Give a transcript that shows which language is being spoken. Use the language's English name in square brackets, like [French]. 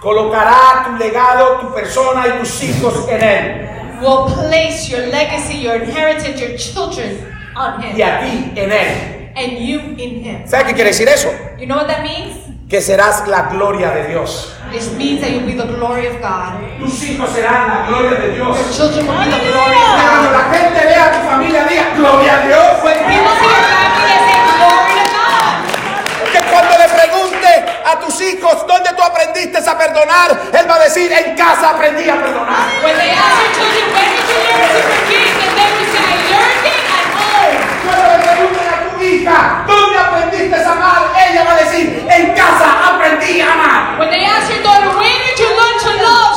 [Spanish] colocará tu legado, tu persona y tus hijos en él. [English] Will place your legacy, your inheritance, your children on him. [Spanish] Y a ti en él. [English] And you in him. [Spanish] ¿Sabes qué quiere decir eso? [English] You know what that means? [Spanish] Que serás la gloria de Dios. [English] This means that you'll be the glory of God. [Spanish] Tus hijos serán la gloria de Dios. [English] Your children will be the glory of God. [Spanish] Cuando la gente vea a tu familia, diga gloria a Dios. [English] When people see your family, they say glory to God. [Spanish] Que cuando le pregunte a tus hijos dónde tú aprendiste comienza a perdonar, él va a decir, en casa aprendí a perdonar. [English] When they ask your children, when did you learn to forgive? And they will say, I learned it at home. [Spanish] Cuando le pregunten a tu hija, ¿dónde aprendiste a amar? Ella va a decir, en casa aprendí a amar. [English] When they ask your daughter, when did you learn to love?